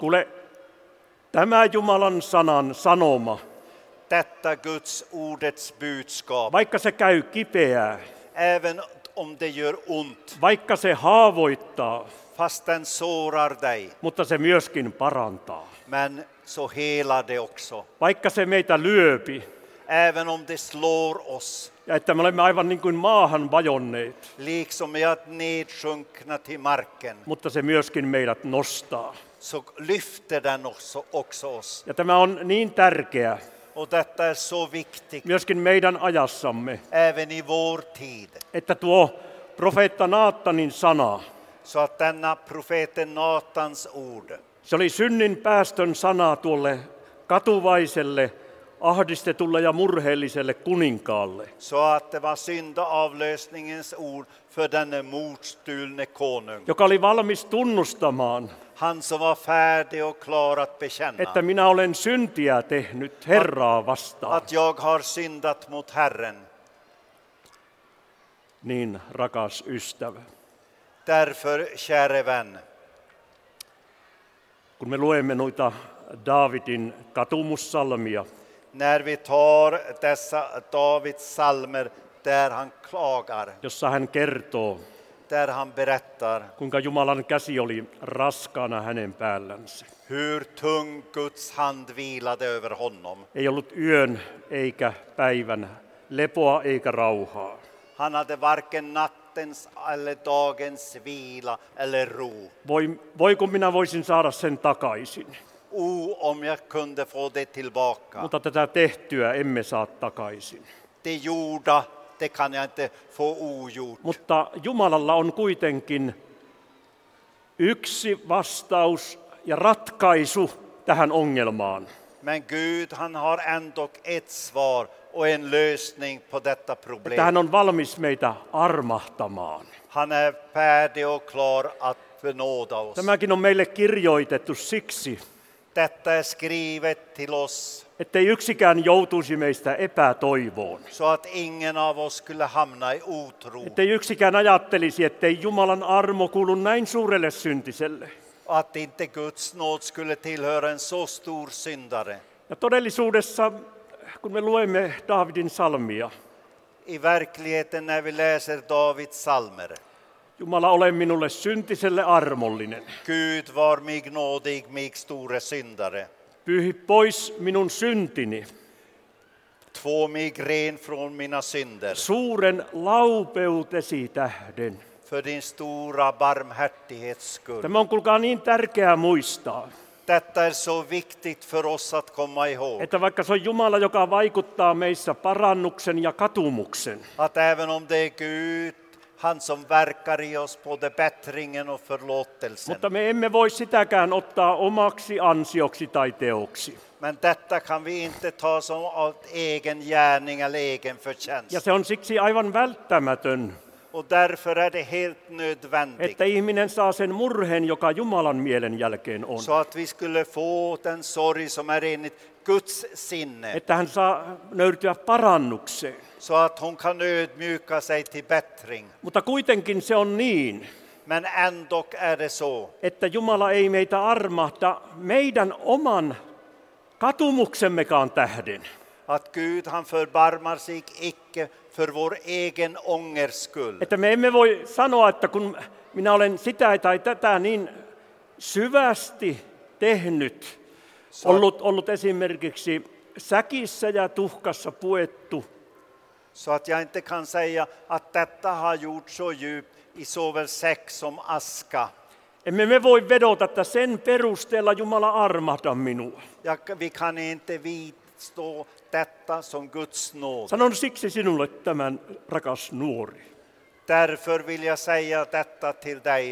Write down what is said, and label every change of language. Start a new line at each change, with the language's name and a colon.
Finnish: Kuule, tämä Jumalan sanan sanoma.
Swedish: Detta Guds ordets budskap.
Finnish: Vaikka se käy kipeää.
Swedish: Även om det gör ont.
Finnish: Vaikka se haavoittaa.
Swedish: Fastän sårar dig.
Finnish: Mutta se myöskin parantaa.
Swedish: Men så helar det också.
Finnish: Vaikka se meitä lyöpi.
Swedish: Även om det slår oss.
Finnish: Ja että me olemme aivan niin kuin maahan vajonneet.
Swedish: Liksom vi har nedsjunkna till marken.
Finnish: Mutta se myöskin meidät nostaa.
Swedish: Så lyfter den också oss.
Finnish: Ja tämä on niin tärkeä.
Swedish: Och detta är så viktigt.
Finnish: Myöskin meidän ajassamme.
Swedish: Även i vår tid.
Finnish: Että tuo profeetta Naatanin sana.
Swedish: Så att denna profeten Naatans ord.
Finnish: Se oli synnin päästön sana tuolle katuvaiselle, ahdistetulle ja murheelliselle kuninkaalle.
Swedish: Så att det var syndaavlösningens ord för denne motstulne konung.
Finnish: Joka oli valmis tunnustamaan.
Swedish: Han som var färdig och klar att bekänna.
Finnish: Että minä olen syntiä tehnyt Herraa vastaan.
Swedish: Att jag har syndat mot Herren.
Finnish: Niin, rakas ystävä.
Swedish: Därför, käre vän.
Finnish: Kun me luemme noita Daavidin katumussalmia.
Swedish: När vi tar dessa Davids salmer där han klagar.
Finnish: Jossa hän kertoo.
Swedish: Där han berättar.
Finnish: Kuinka Jumalan käsi oli raskaana hänen päällänsä.
Swedish: Hur tung Guds hand vilade över honom.
Finnish: Ei ollut yön eikä päivän lepoa eikä rauhaa.
Swedish: Han hade varken nattens eller dagens vila eller ro.
Finnish: Voiko minä voisin saada sen takaisin.
Swedish: Om jag kunde få det tillbaka.
Finnish: Mutta tätä tehtyä emme saa takaisin.
Swedish: Det gjorda, det kan jag inte få ogjort.
Finnish: Mutta Jumalalla on kuitenkin yksi vastaus ja ratkaisu tähän ongelmaan.
Swedish: Men Gud, han har ändå ett svar och en lösning på detta problem.
Finnish: Että hän on valmis meitä armahtamaan.
Swedish: Han är färdig och klar att benåda oss.
Finnish: Tämäkin on meille kirjoitettu siksi.
Swedish: Detta är skrivet till oss.
Finnish: Ettei yksikään joutuisi meistä epätoivoon.
Swedish: Så att ingen av oss skulle hamna i otro.
Finnish: Ettei yksikään ajattelisi, ettei Jumalan armo kuulu näin suurelle syntiselle.
Swedish: Att inte Guds nåd skulle tillhöra en så stor syndare.
Finnish: Ja todellisuudessa, kun me luemme Daavidin salmia.
Swedish: I verkligheten när vi läser Davids salmer.
Finnish: Jumala, ole minulle syntiselle armollinen.
Swedish: Gud, var mig nådig, mig store syndare.
Finnish: Pyyhi pois minun syntini.
Swedish: Två mig ren från mina synder.
Finnish: Suuren laupeutesi tähden.
Swedish: För din stora barmhärtighets skull.
Finnish: Tämä on kuulkaa niin tärkeää muistaa.
Swedish: Detta är så viktigt för oss att komma ihåg.
Finnish: Että vaikka se on Jumala, joka vaikuttaa meissä parannuksen ja katumuksen.
Swedish: Att även om det är Gud, han som verkar i oss både bättringen och förlåtelsen.
Finnish: Mutta me emme voi sitäkään ottaa omaksi ansioksi tai teoksi.
Swedish: Men detta kan vi inte ta som egen gärning eller egen förtjänst.
Finnish: Ja se on siksi aivan välttämätön.
Swedish: Och därför är det helt nödvändigt.
Finnish: Että ihminen saa sen murheen, joka Jumalan mielen jälkeen on.
Swedish: Så att vi skulle få den sorg som är enligt Guds sinne.
Finnish: Että hän saa nöyrtyä parannukseen.
Swedish: Så att hon kan ödmjuka sig till bättring.
Finnish: Mutta kuitenkin se on niin.
Swedish: Men ändock är det så.
Finnish: Että Jumala ei meitä armahda meidän oman katumuksemmekaan tähden.
Swedish: Att Gud, han förbarmar sig icke för vår egen ångers skull.
Finnish: Että me emme voi sanoa, että kun minä olen sitä tai tätä niin syvästi tehnyt, ollut esimerkiksi säkissä ja tuhkassa puettu.
Swedish: Så att jag inte kan säga att detta har gjort så djup i såväl säck som aska.
Finnish: Emme me voi vedota, että sen perusteella Jumala armahda minua.
Swedish: Ja vi kan inte viitstå detta som Guds nåd.
Finnish: Sanon siksi sinulle tämän, rakas nuori.
Swedish: Därför vill jag säga detta till dig,